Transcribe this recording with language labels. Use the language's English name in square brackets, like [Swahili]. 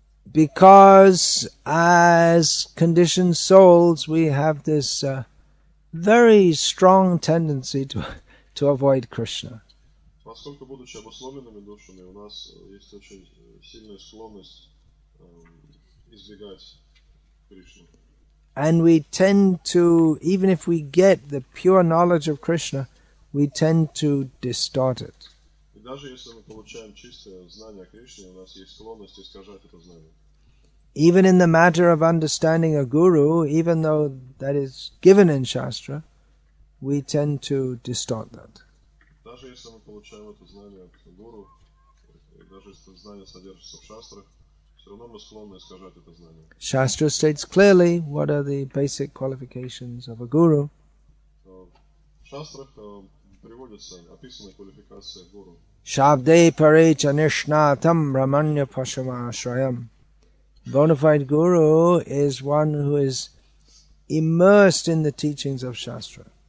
[English] Because as conditioned souls, we have this very strong tendency to avoid Krishna. [Russian] Поскольку, будучи обусловленными душами, у нас есть очень сильная склонность избегать Кришну. [English] And we tend to, even if we get the pure knowledge of Krishna, we tend to distort it. [Russian] И даже если мы получаем чистое знание о Кришне, у нас есть склонность искажать это знание. [English] Even in the matter of understanding a guru, even though that is given in Shastra, we tend to distort that. [Russian] Даже если мы получаем это знание от гуру, и даже если это знание содержится в шастрах, все равно мы склонны искажать это знание. [English] Shastra states clearly what are the basic qualifications of a guru. [Russian] В шастрах приводятся описанные квалификации гуру. [Sanskrit] Шабде парича нишнатам раманья пашама ашраям. [English] Bona fide guru is one who is immersed in the teachings of Shastra.